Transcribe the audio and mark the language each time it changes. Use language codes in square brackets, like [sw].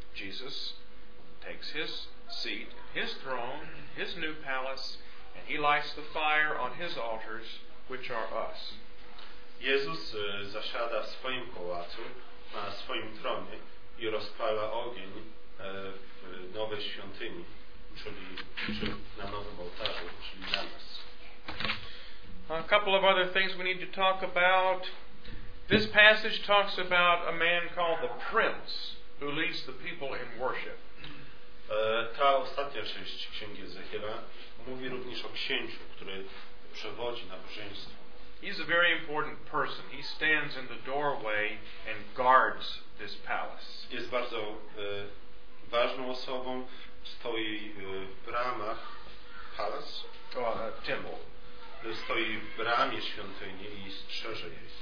[en] Jesus takes his seat, his throne, his new palace, and he lights the fire on his altars, which are us. [pl] Jezus zasiada w swoim pałacu, na swoim tronie i rozpala ogień w nowej świątyni, czyli na nowym ołtarzu, czyli na nas. [en] A couple of other things we need to talk about. This passage talks about a man called the prince who leads the people in worship. [pl] Ta ostatnia część Księgi Ezechiela mówi również o księciu, który przewodzi nabożeństwu. [en] He's a very important person. He stands in the doorway and guards this palace. [pl] Jest bardzo ważną osobą, stoi w bramach palace, [en] temple. [pl] Stoi w bramie świątyni i strzeże jej.